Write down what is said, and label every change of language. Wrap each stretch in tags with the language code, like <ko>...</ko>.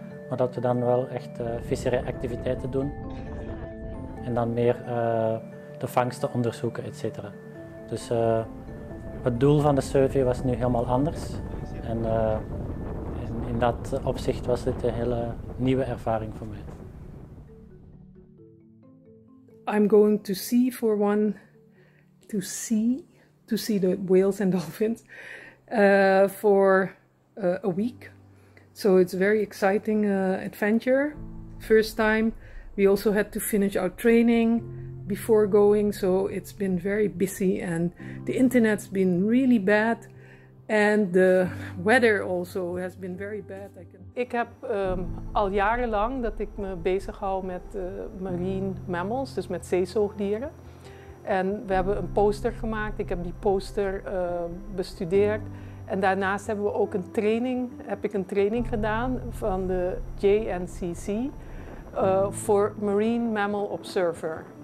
<nl>Maar dat we dan wel echt visserijactiviteiten doen. En dan meer de vangsten onderzoeken, et cetera. Dus het doel van de survey was nu helemaal anders. En in dat opzicht was dit een hele nieuwe ervaring voor mij.</nl> <en>I'm going to sea for one, to see the whales and dolphins for a week. So it's a very exciting adventure. First time, we also had to finish our training before going, so it's been very busy and the internet's been really bad and the weather also has been very bad.</en> <nl>Ik heb al jarenlang dat ik me bezighoud met marine mammals, dus met zeezoogdieren. En we hebben een poster gemaakt, ik heb die poster bestudeerd. En daarnaast hebben we ook een training, heb ik een training gedaan van de JNCC voor Marine Mammal Observer.</nl>